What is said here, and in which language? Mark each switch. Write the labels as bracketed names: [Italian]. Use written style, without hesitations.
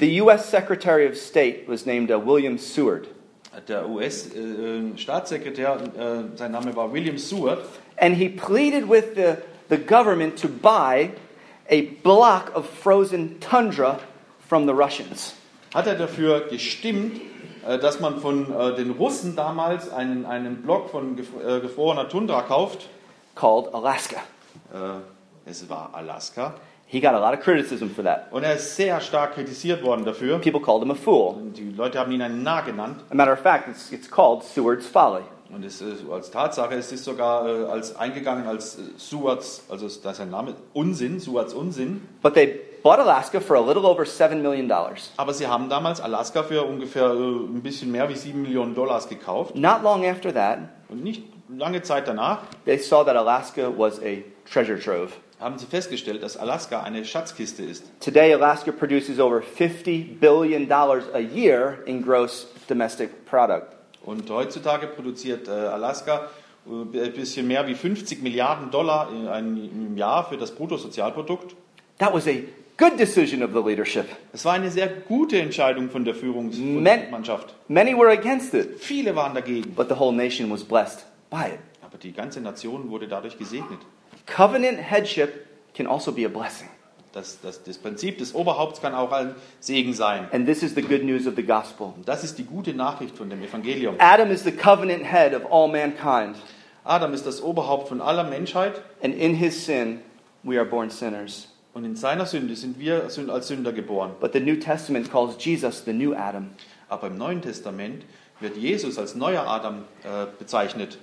[English] the US Secretary of State was named William Seward. [German] Der US Staatssekretär, sein Name war William Seward. [English] And he pleaded with the government to buy a block of frozen tundra from the Russians. [German] Hat dafür gestimmt, dass man von den Russen damals einen Block von gefrorener Tundra kauft, [English] called Alaska. [German] Es war Alaska. [English] He got a lot of criticism for that. [German] Und ist sehr stark kritisiert worden dafür. [English] People called him a fool. [German] Die Leute haben ihn einen Narr genannt. [English] A matter of fact, it's called Seward's folly. [German] Und es ist als Tatsache, es ist sogar als eingegangen als Seward's, also das ist ein Name, Unsinn, Seward's Unsinn. [English] But they bought Alaska for a little over $7 million. [German] Aber sie haben damals Alaska für ungefähr ein bisschen mehr wie [English] $7 million [German] gekauft. [English] Not long after that. [German] Und nicht lange Zeit danach. [English] They saw that Alaska was a treasure trove. [German] Haben sie festgestellt, dass Alaska eine Schatzkiste ist. [English] Today Alaska produces over $50 billion a year in gross domestic product. [German] Und heutzutage produziert Alaska ein bisschen mehr wie 50 Milliarden Dollar im Jahr für das Bruttosozialprodukt. [English] That was a good decision of the leadership. [German] Es war eine sehr gute Entscheidung von der Führungsmannschaft. [English] Many were against it. [German] Viele waren dagegen. [English] But the whole nation was blessed by it. [German] Aber die ganze Nation wurde dadurch gesegnet. [English] Covenant headship can also be a blessing. [German] Das Prinzip des Oberhaupts kann auch ein Segen sein. [English] And this is the good news of the gospel. [German] Das ist die gute Nachricht von dem Evangelium. [English] Adam is the covenant head of all mankind. [German] Adam ist das Oberhaupt von aller Menschheit. [English] And in his sin we are born sinners. [German] Und in seiner Sünde sind wir als Sünder geboren. [English] But the New Testament calls Jesus the new Adam. [German] Aber im Neuen Testament wird Jesus als neuer Adam bezeichnet.